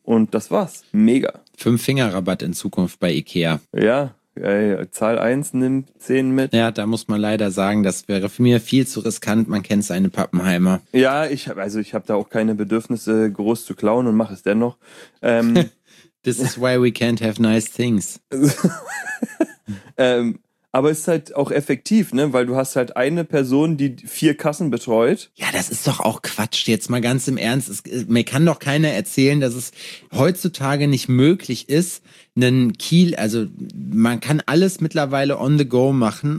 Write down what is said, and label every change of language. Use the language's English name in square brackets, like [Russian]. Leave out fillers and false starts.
[German] Und das war's. Mega. 5-Finger-Rabatt in Zukunft bei IKEA. Ja. Zahl 1 nimmt 10 mit. Ja, da muss man leider sagen, das wäre für mich viel zu riskant. Man kennt seine Pappenheimer. Ja, ich habe da auch keine Bedürfnisse, groß zu klauen und mache es dennoch. [English] This is why we can't have nice things. [German] Aber es ist halt auch effektiv, ne? Weil du hast halt eine Person, die 4 Kassen betreut. Ja, das ist doch auch Quatsch, jetzt mal ganz im Ernst. Mir kann doch keiner erzählen, dass es heutzutage nicht möglich ist, einen Kiel, also man kann alles mittlerweile [English] on the go [German] machen.